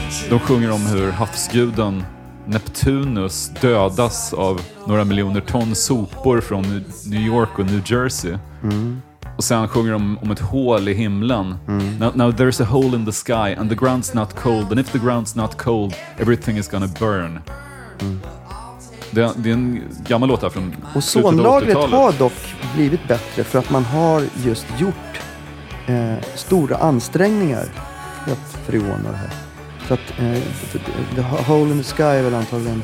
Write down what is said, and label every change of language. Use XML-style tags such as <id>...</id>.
<sv>De sjunger om hur havsguden Neptunus dödas av några miljoner ton sopor från New York och New Jersey. Mm. Och sen sjunger de om ett hål i himlen. Mm.</sv> <en>Now there's a hole in the sky and the ground's not cold. And if the ground's not cold, everything is gonna burn. Mm.</en> <sv>Det är en gammal låt här från slutet av 80-talet. Och sonlagret har dock blivit bättre för att man har just gjort stora ansträngningar för att förvåna det här. Så att,</sv> <en>the hole in the sky</en> <sv>är väl antagligen...</sv>